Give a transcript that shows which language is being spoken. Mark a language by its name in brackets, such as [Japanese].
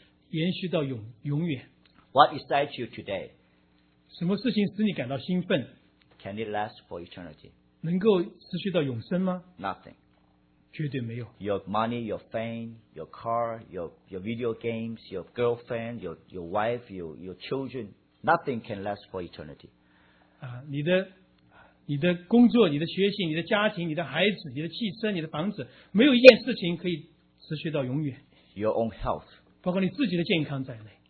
[Chinese] 想一想看,我们今天做的所有的事情有多少可以延续到永远? [English] What excites you today? [Chinese] 什么事情使你感到兴奋? [English] Can it last for eternity? [Chinese] 能够持续到永生吗? [English] Nothing. [Chinese] 绝对没有. [English] Your money, your fame, your car, your video games, your girlfriend, your wife, your children, nothing can last for eternity. [Chinese] 你的工作,你的学习,你的家庭,你的孩子,你的汽车,你的房子,没有一件事情可以持续到永远. [English] Your own health. [Chinese] 包括你自己的健康在内.